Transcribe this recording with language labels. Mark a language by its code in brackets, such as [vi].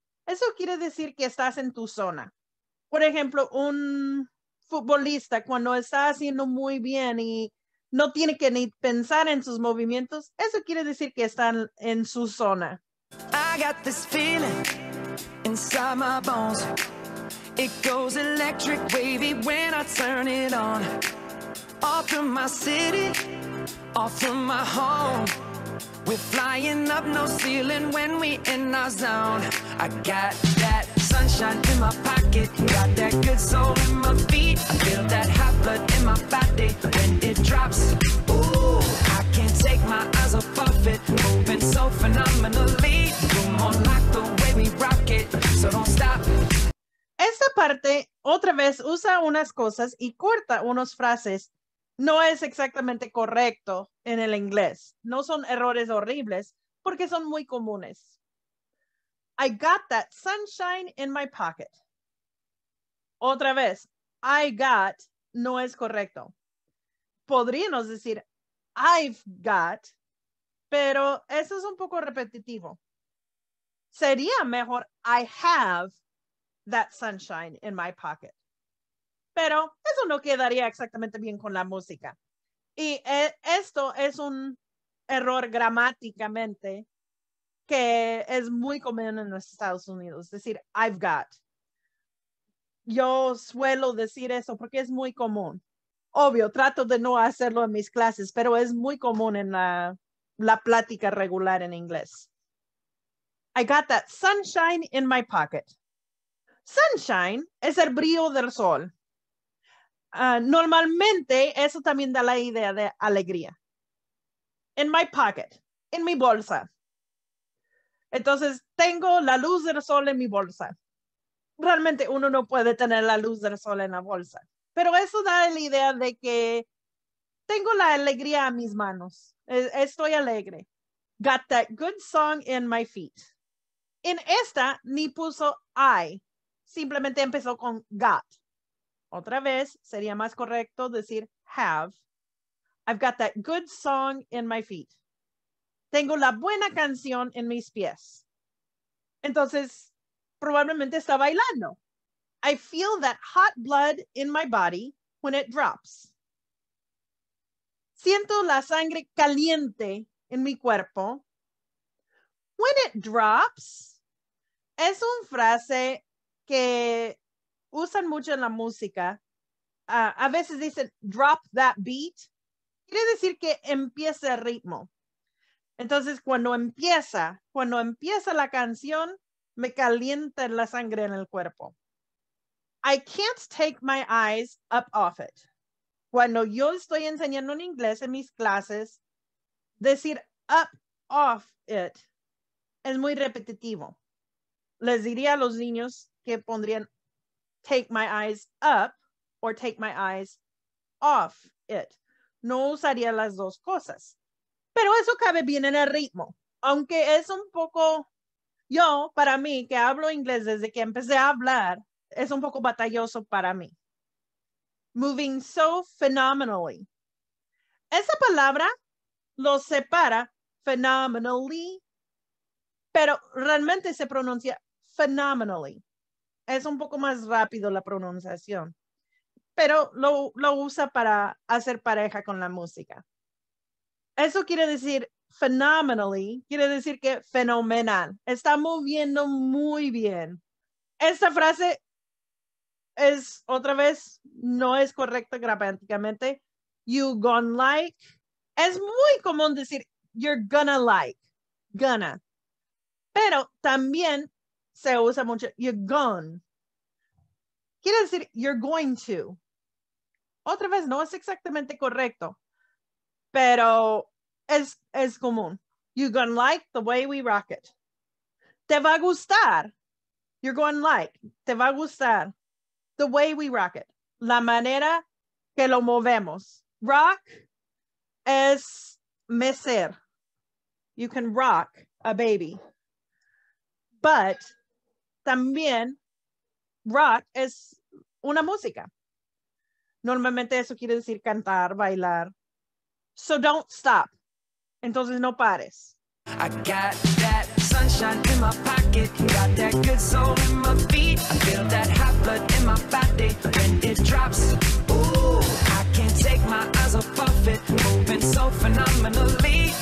[es] Eso quiere decir que estás en tu zona. Por ejemplo, un futbolista cuando está haciendo muy bien y no tiene que ni pensar en sus movimientos, eso quiere decir que están en su zona. [en] I got this feeling inside my bones. It goes electric, wavy when I turn it on. Off from my city, off from my home. We're flying up, no ceiling when we in our zone. I got that sunshine in my pocket, got that good soul in my feet. I feel that hot blood in my body when it drops. Ooh, I can't take my eyes off of it, moving so phenomenally. Come on, lock the way we rock it, so don't stop. [es] Esta parte, otra vez, usa unas cosas y corta unos frases. No es exactamente correcto en el inglés. No son errores horribles porque son muy comunes. [en] I got that sunshine in my pocket. [es] Otra vez, [en] I got [es] no es correcto. Podríamos decir [en] I've got, [es] pero eso es un poco repetitivo. Sería mejor [en] I have that sunshine in my pocket. [es] Pero eso no quedaría exactamente bien con la música. Y esto es un error gramáticamente que es muy común en los Estados Unidos. Es decir, [en] I've got. [es] Yo suelo decir eso porque es muy común. Obvio, trato de no hacerlo en mis clases, pero es muy común en la plática regular en inglés. [en] I got that sunshine in my pocket. [es] Sunshine es el brillo del sol. Normalmente, eso también da la idea de alegría. [en] In my pocket, [es] en mi bolsa. Entonces, tengo la luz del sol en mi bolsa. realmente uno no puede tener la luz del sol en la bolsa. Pero eso da la idea de que tengo la alegría a mis manos. Estoy alegre. [en] Got that good song in my feet. [es] En esta ni puso I. Simplemente empezó con got. Otra vez sería más correcto decir have. [en] I've got that good song in my feet. [es] Tengo la buena canción en mis pies. Entonces, probablemente está bailando. [en] I feel that hot blood in my body when it drops. [es] Siento la sangre caliente en mi cuerpo. [en] When it drops, [es] es una frase que usan mucho en la música. A veces dicen, [en] drop that beat. [es] Quiere decir que empieza el ritmo. Entonces, cuando empieza la canción, me calienta la sangre en el cuerpo. [en] I can't take my eyes up off it. [es] Cuando yo estoy enseñando en inglés en mis clases, decir [en] up off it [es] es muy repetitivo. Les diría a los niños que pondrían [en] take my eyes up or take my eyes off it. [es] No usaría las dos cosas. Pero eso cabe bien en el ritmo. Aunque es un poco, yo, para mí, que hablo inglés desde que empecé a hablar, es un poco batalloso para mí. [en] Moving so phenomenally. [es] Esa palabra lo separa phenomenally, pero realmente se pronuncia phenomenally. Es un poco más rápido la pronunciación, pero lo usa para hacer pareja con la música. Eso quiere decir phenomenally, quiere decir que fenomenal. Está moviendo muy bien. Esta frase es, otra vez, no es correcta gramaticalmente. [en] You gonna like. [es] Es muy común decir [en] you're gonna like. [es] Gonna. Pero también se usa mucho [en] you're gone. [es] Quiere decir [en] you're going to. [es] Otra vez, no es exactamente correcto. Pero es común. [en] You're gonna like the way we rock it. [es] Te va a gustar. [en] You're gonna like. [es] Te va a gustar. [en] The way we rock it. [es] La manera que lo movemos. Rock es mecer. [en] You can rock a baby. But [es] también [en] rock [es] es una música. Normalmente eso quiere decir cantar, bailar. [en] So don't stop. [es] Entonces no pares. [en] I got that sunshine in my pocket. Got that good soul in my feet. I feel that hot blood in my body when it drops. Ooh, I can't take my eyes off of it. Moving so phenomenally.